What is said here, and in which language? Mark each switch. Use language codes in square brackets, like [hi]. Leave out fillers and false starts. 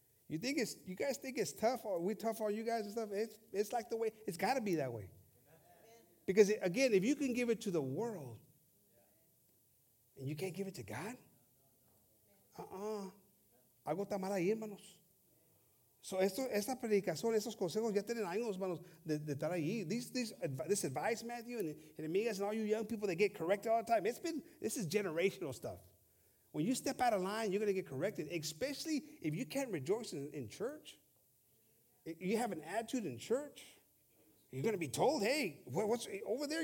[en] You guys think it's tough? Or we tough on you guys and stuff? It's like the way, it's got to be that way. Because, again, if you can give it to the world and you can't give it to God, [es] hago tamal ahí, hermanos. So esto, esta predicación, estos consejos ya tienen años, hermanos, de estar ahí. [en] This advice, Matthew, and Amigas, and all you young people that get corrected all the time, this is generational stuff. When you step out of line, you're going to get corrected, especially if you can't rejoice in church. If you have an attitude in church, you're going to be told, hey, what's over there?